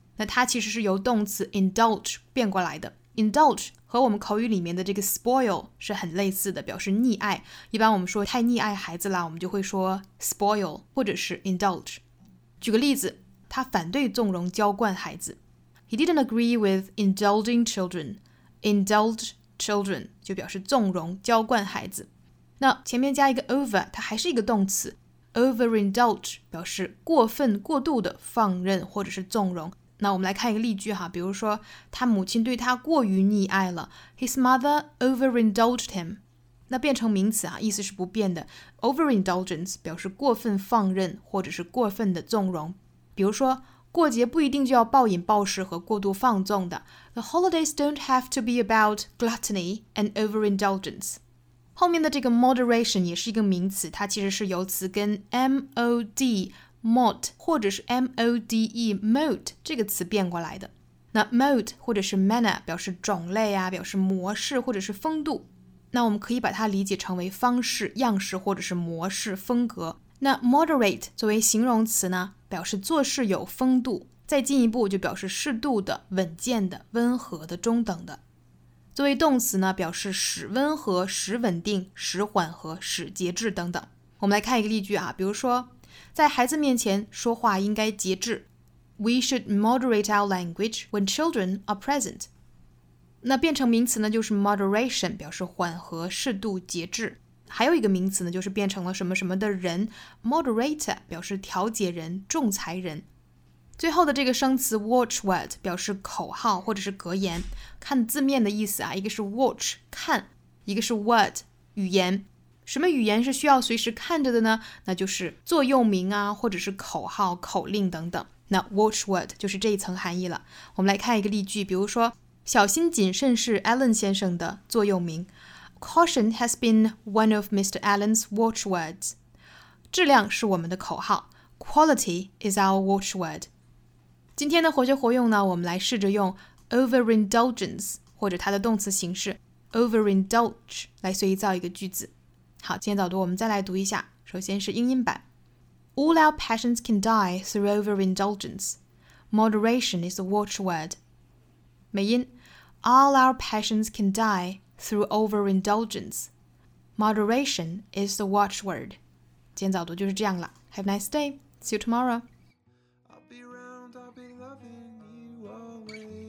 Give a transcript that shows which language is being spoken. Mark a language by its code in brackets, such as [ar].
[zh] 那它其实是由动词 indulge 变过来的。Indulge 和我们口语里面的这个 spoil 是很类似的，表示溺爱。一般我们说太溺爱孩子了，我们就会说 spoil 或者是 indulge。举个例子，他反对纵容娇惯孩子。 [en] He didn't agree with indulging children. [zh] Indulge children 就表示纵容娇惯孩子。那前面加一个 over, 它还是一个动词。Overindulge 表示过分过度的放任或者是纵容。那我们来看一个例句哈，比如说他母亲对他过于溺爱了。 [en] His mother overindulged him. [zh] 那变成名词啊，意思是不变的。Overindulgence 表示过分放任或者是过分的纵容。比如说过节不一定就要暴饮暴食和过度放纵的。 [en] The holidays don't have to be about gluttony and overindulgence. [zh] 后面的这个 moderation 也是一个名词，它其实是由词根 mod,mot 或者是 mode mot 这个词变过来的。那 mot 或者是 manner 表示种类啊，表示模式或者是风度。那我们可以把它理解成为方式、样式或者是模式、风格。那 moderate 作为形容词呢，表示做事有风度，再进一步就表示适度的、稳健的、温和的、中等的。作为动词呢，表示使温和、使稳定、使缓和、使节制等等。我们来看一个例句啊，比如说在孩子面前说话应该节制。 [en] We should moderate our language when children are present. [zh] 那变成名词呢，就是 moderation, 表示缓和、适度、节制。还有一个名词呢，就是变成了什么什么的人。Moderator, 表示调解人、仲裁人。最后的这个生词 watchword, 表示口号或者是格言。看字面的意思啊，一个是 watch, 看，一个是 word, 语言。什么语言是需要随时看着的呢？那就是座右铭啊，或者是口号、口令等等。那 watchword 就是这一层含义了。我们来看一个例句，比如说小心谨慎是 Allen 先生的座右铭。 [en] Caution has been one of Mr. Allen's watchwords. [zh] 质量是我们的口号， [en] Quality is our watchword. [zh] 今天的活学活用呢，我们来试着用 overindulgence 或者它的动词形式 overindulge 来随意造一个句子。好，今天早读我们再来读一下。首先是英音版。 [en] All our passions can die through overindulgence. Moderation is the watchword. [zh] 美音。 [en] All our passions can die through overindulgence. Moderation is the watchword. [zh] 今天早读就是这样了。 [en] Have a nice day. See you tomorrow. I'll be around, I'll be loving you always.